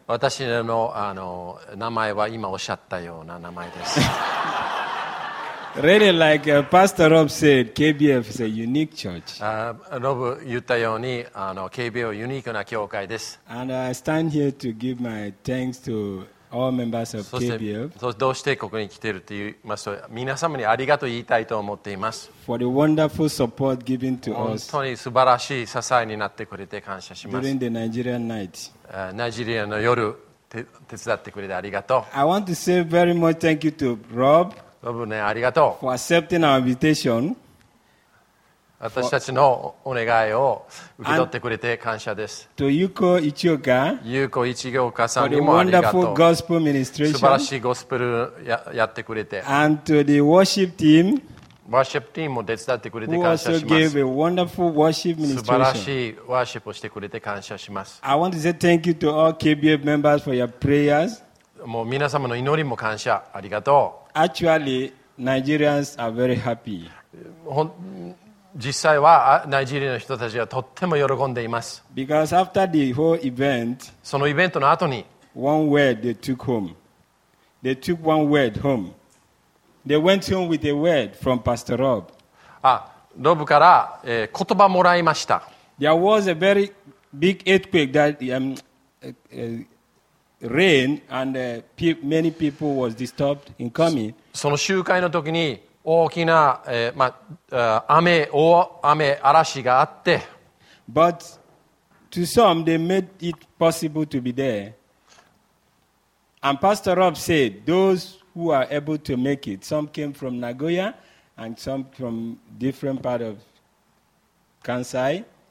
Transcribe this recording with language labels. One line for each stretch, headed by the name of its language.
Japanese: 私の名前は今おっしゃったような名前です。
English: Really, like Pastor Rob said, KBF is a unique church.
Japanese: Rob 言ったように KBF はユニークな教会です。
English: And I stand here to give my thanks to All members of KBF.
Japanese: そして同志帝国に来ているといいますと、皆様にありがとう言いたいと思っています。
English: For the wonderful support given to us.
Japanese: 本当に素晴らしい支えになってくれて感謝します。
English: During the Nigerian night.
Japanese: ナイジェリアの夜、手伝ってくれてありがとう。
English: I want to say very much thank you to Rob.
Japanese: ロブね、ありがとう。
English: For accepting our invitation.
Japanese: 私たちのお願いを受け取ってくれて感謝です。とユコイチオカ、ユコイチオカさんにもありがとう。素晴らしいゴスペル やってくれて、
English: and to the worship team、
Japanese: ワーシップティームも手伝ってくれて感謝します。
English: who also gave a wonderful worship ministration。
Japanese: 素晴らしいワーシップをしてくれて感謝します。
English: I want to say thank you to all KBF members for your prayers。
Japanese: もう皆様の祈りも感謝、ありがとう。
English: Actually, Nigerians are very happy。
Japanese: 実際はナイジェリアの人たちはとっても喜んでいます。
English: Because after the whole event,
Japanese: そのイベントの後に
English: one word they took home. They took one word home. They went home with a word from Pastor Rob.
Japanese: あ、ロブから、言葉もらいました。
English: There was a very big earthquake that rained and many people was disturbed in coming.
Japanese: その集会の時に大きな、雨嵐があって、
English: But to some they made it possible to be there. And Pastor Rob said those who are able to make it, some came from Nagoya and some from different part of Kansai.